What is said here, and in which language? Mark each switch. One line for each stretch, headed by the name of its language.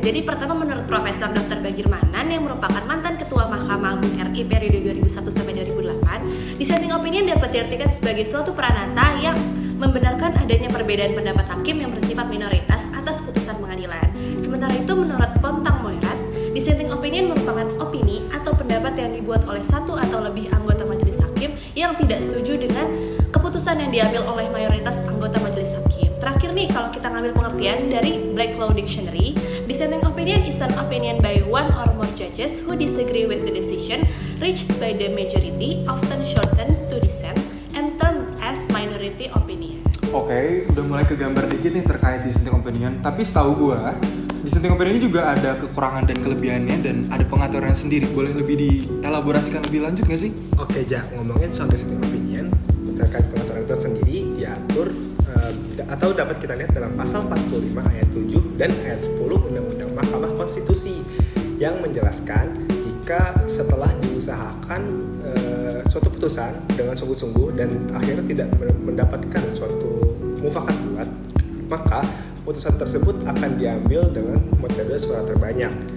Indonesian: Jadi pertama, menurut Profesor Dr. Bagir Manan yang merupakan mantan Ketua Mahkamah Agung RI periode 2001 sampai 2008, dissenting opinion dapat diartikan sebagai suatu pranata yang membenarkan adanya perbedaan pendapat hakim yang bersifat minoritas atas putusan pengadilan. Sementara itu, menurut Pontang Moirat, dissenting opinion merupakan opini atau pendapat yang dibuat oleh satu atau lebih anggota majelis hakim yang tidak setuju dengan keputusan yang diambil oleh mayoritas anggota majelis hakim. Terakhir nih, kalau kita ngambil pengertian dari
English: Black Law Dictionary, dissenting opinion is an opinion by one or more judges who disagree with the decision reached by the majority, often shortened to dissent and termed as minority opinion.
Indonesian: Okay, udah mulai kegambar dikit nih terkait dissenting opinion. Tapi setahu gue, dissenting opinion ini juga ada kekurangan dan kelebihannya dan ada pengaturannya sendiri. Boleh lebih dielaborasikan lebih lanjut nggak sih? Okay, Jack, ngomongin soal dissenting opinion terkait pengaturan itu sendiri diatur atau dapat kita lihat dalam pasal 45 ayat 7 dan ayat 10 Undang-Undang Mahkamah Konstitusi yang menjelaskan jika setelah diusahakan suatu putusan dengan sungguh-sungguh dan akhirnya tidak mendapatkan suatu mufakat bulat, maka putusan tersebut akan diambil dengan metode suara terbanyak.